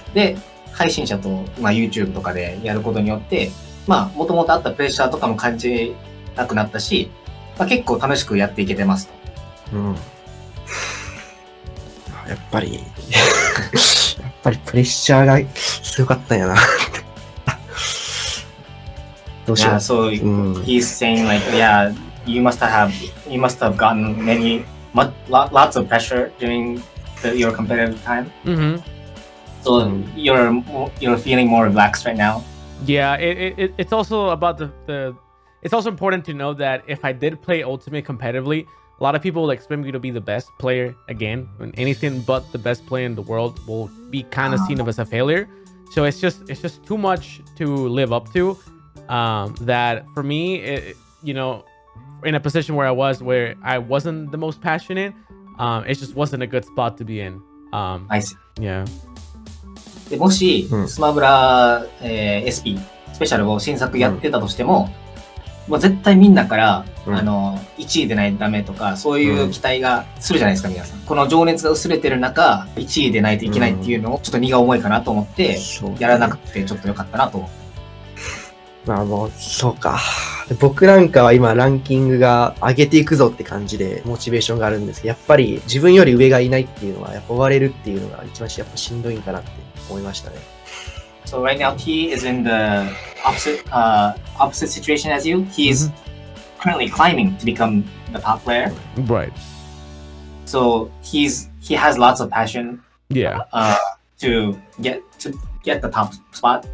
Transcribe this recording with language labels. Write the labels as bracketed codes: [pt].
[ja] で、配信者と、まあ、YouTube とかでやることによって、まあ、もともとあったプレッシャーとかも感じなくなったし、まあ、結構楽しくやっていけてますと。うん。やっぱり、やっぱりプレッシャーが強かったんやな。どうしよう。 [en] Yeah, so、うん、he's saying like, yeah, you must have gotten many, lots of pressure during your competitive time.、 Mm-hmm. So、mm-hmm. you're feeling more relaxed right now. Yeah, it's also about the it's also important to know that if I did play Ultimate competitively,A lot of people will expect me to be the best player again. When anything but the best player in the world will be kind of seen as a failure. So it's just too much to live up to. That for me, it, you know, in a position where I was, where I wasn't the most passionate, it just wasn't a good spot to be in. I see. Yeah. [ja] でもし、スマブラ、SP スペシャルを新作やってたとしても、もう絶対みんなから、うん、あの1位でないとダメとかそういう期待がするじゃないですか、うん、皆さんこの情熱が薄れてる中1位でないといけないっていうのをちょっと荷が重いかなと思って、うん、やらなくてちょっと良かったなと思ってまあもうそうか僕なんかは今ランキングが上げていくぞって感じでモチベーションがあるんですけどやっぱり自分より上がいないっていうのはやっぱ追われるっていうのが一番やっぱしんどいんかなって思いましたね [en] So right now, he is in the opposite situation as you. He is currently climbing to become the top player. Right. So he has lots of passion. Yeah. To get the top spot.